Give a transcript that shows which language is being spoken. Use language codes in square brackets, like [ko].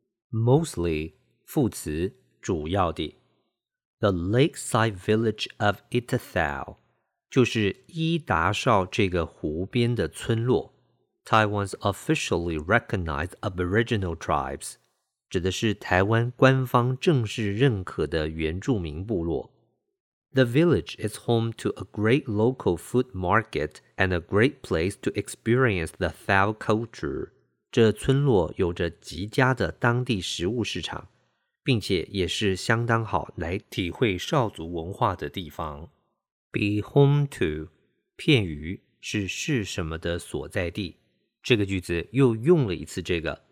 [zh] Mostly 副词主要的 ， [en] The lakeside village of Itathao [zh] 就是伊达少这个湖边的村落。 [en] Taiwan's officially recognized Aboriginal tribes. [zh] 指的是台湾官方正式认可的原住民部落。 [en] The village is home to a great local food market and a great place to experience the Thao culture. [zh] 这村落有着极佳的当地食物市场，并且也是相当好来体会少族文化的地方。 [en] Be home to [zh] 片语是什么的所在地。这个句子又用了一次这个。